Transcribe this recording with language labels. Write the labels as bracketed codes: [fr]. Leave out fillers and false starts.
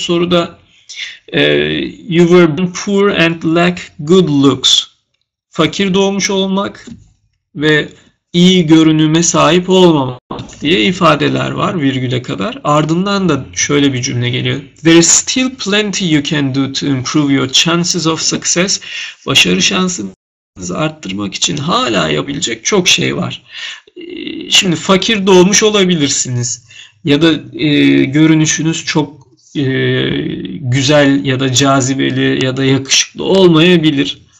[en] soruda "You were born poor and lack good looks." [tr] Fakir doğmuş olmak ve iyi görünüme sahip olmamak diye ifadeler var virgüle kadar. Ardından da şöyle bir cümle geliyor. [en] "There is still plenty you can do to improve your chances of success." [tr] Başarı şansınızı arttırmak için hala yapabilecek çok şey var. Şimdi fakir doğmuş olabilirsiniz. Ya da görünüşünüz çok güzel ya da cazibeli ya da yakışıklı olmayabilir.